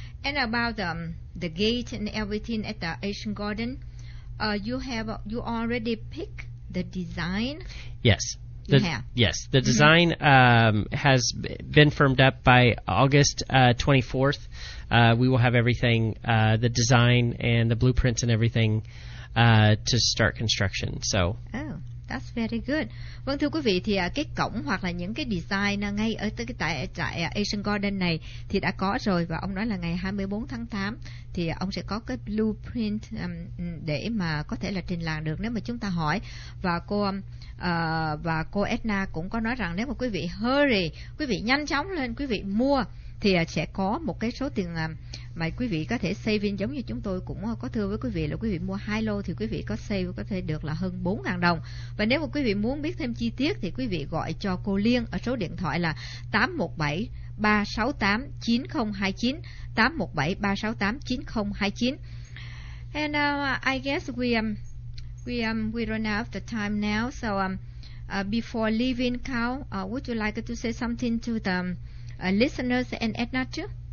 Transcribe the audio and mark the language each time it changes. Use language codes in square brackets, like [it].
[en] And about the gate and everything at the Asian Garden, you already picked the design? Yes. Yes, the design has been firmed up by August 24th. We will have everything, the design and the blueprints and everything to start construction. So. That's very good. [vi] Vâng, thưa quý vị, thì cái cổng hoặc là những cái design ngay ở tại trại Asian Garden này thì đã có rồi, và ông nói là ngày 24 tháng 8 thì ông sẽ có cái blueprint để mà có thể là trình làng được nếu mà chúng ta hỏi. Và cô Edna cũng có nói rằng nếu mà quý vị hurry, quý vị nhanh chóng lên, quý vị mua thì sẽ có một cái số tiền mà quý vị có thể saving, giống như chúng tôi cũng có thưa với quý vị là quý vị mua 2 lô thì quý vị có save có thể được là hơn 4.000 đồng. Và nếu mà quý vị muốn biết thêm chi tiết thì quý vị gọi cho cô Liên ở số điện thoại là 817-368-9029, 817-368-9029. [en] And I guess we run out of the time now, so before leaving, Cao, would you like to say something to the listeners and Edna too?